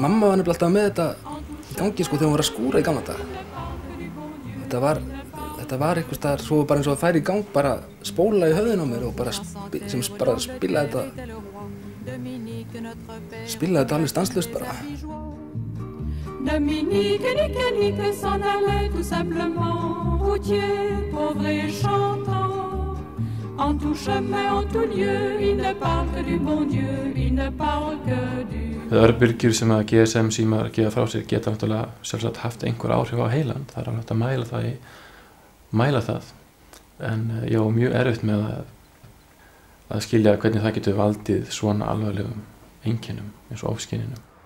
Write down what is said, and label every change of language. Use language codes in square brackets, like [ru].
[is] Mamma var nefnilega alltaf með þetta í gangi sko þegar hún var að skúra í gamla dag. Þetta var einhvers staðar svo bara eins og að færi í gang bara spóla í höfðinu á mér og bara spila þetta alveg stanslaust bara. [fr] Dominique, nique, nique, s'en allait tout simplement routier, pauvre et chantant. En tout chemin, en tout lieu, il ne parle que du bon Dieu, il ne parle que du... [is] Það eru örbylgjur sem að GSM símar gefa frá sér geta náttúrulega sjálfsagt haft einhver áhrif á heilann. Það er alveg að mæla það. En ég var mjög erfitt með að skilja hvernig það getur valdið svona alvarlegum einkennum eins og ofskyninum.